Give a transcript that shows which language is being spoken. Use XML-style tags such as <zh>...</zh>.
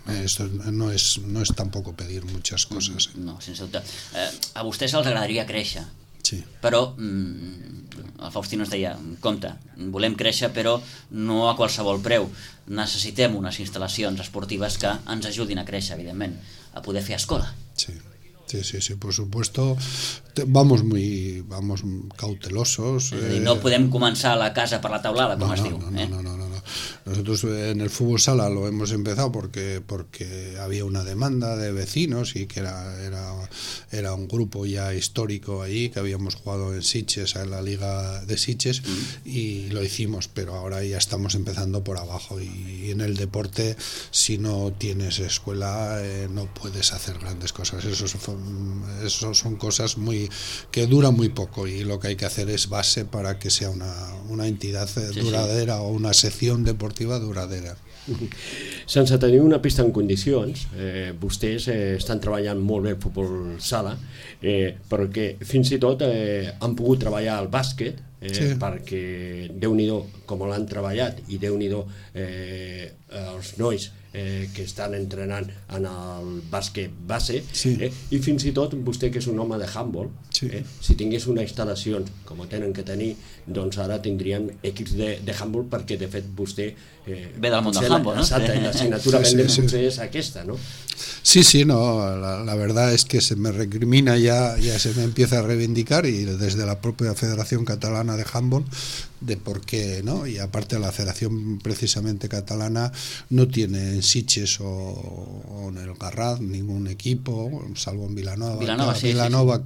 <es>Esto no es tampoco pedir muchas cosas.</es> <ca>No, sense dubte. A vostès els agradaria créixer. Sí. Però el Faustino es deia, compte, volem créixer, però no a qualsevol preu. Necessitem unes instal·lacions esportives que ens ajudin a créixer, evidentment, a poder fer escola. Sí.</ca> <es>Sí, por supuesto, vamos cautelosos. No podemos comenzar la casa por la taulada, como has dicho. No. Nosotros en el fútbol sala lo hemos empezado porque había una demanda de vecinos, y que era un grupo ya histórico ahí, que habíamos jugado en Sitges, en la Liga de Sitges, y lo hicimos, pero ahora ya estamos empezando por abajo. Y en el deporte, si no tienes escuela, no puedes hacer grandes cosas. Eso son cosas que duran muy poco, y lo que hay que hacer es base para que sea una entidad duradera, sí, sí, o una sección deportiva duradera.</es> <ca>Sense tenir una pista en condicions, vostès estan treballant molt bé el futbol sala, perquè fins i tot han pogut treballar el bàsquet, sí, perquè déu-n'hi-do com l'han treballat, i déu-n'hi-do els nois que estan entrenant en el bàsquet base, sí, i fins i tot vostè, que és un home de handball, sí, si tingués una instal·lació com tenen que tenir, doncs ara tindríem equips de handball, perquè de fet vostè ve del món del handball, no? Exacte, i l'assignatura vostè és aquesta, no?</ca> <es>Sí, sí, no, la verdad es que se me recrimina ya se me empieza a reivindicar, y desde la propia Federación Catalana de Handball, de por qué no, y aparte la Federación precisamente catalana no tiene en Sitges o en el Garraf ningún equipo, salvo en Vilanova,</es>